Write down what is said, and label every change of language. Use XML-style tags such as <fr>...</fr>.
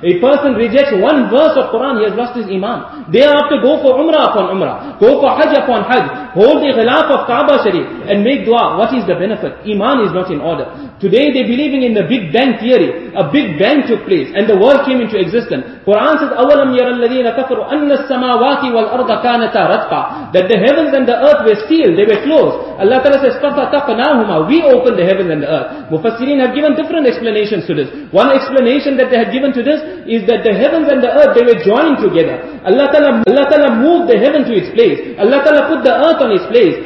<en>A person rejects one verse of Quran, he has lost his iman. They have to go for umrah upon umrah, go for hajj upon hajj, hold the ghilaf of Kaaba Sharif and make dua. What is the benefit? Iman is not in order. Today they believing in the Big Bang theory. A Big Bang took place and the world came into existence. Quran says,</en> <ar>أَوَلَمْ يَرَ الَّذِينَ كَفَرُوا أَنَّ السَّمَاوَاتِ وَالْأَرْضَ كَانَتَا رَتْقًا.</ar> <en>That the heavens and the earth were sealed, they were closed. Allah Ta'ala says,</en> <ar>فَفَتَقْنَاهُمَا.</ar> <en>We opened the heavens and the earth. Mufassirin have given different explanations to this. One explanation that they have given to this is that the heavens and the earth, they were joined together. Allah Ta'ala moved the heaven to its place. Allah Ta'ala put the earth on its place.</en>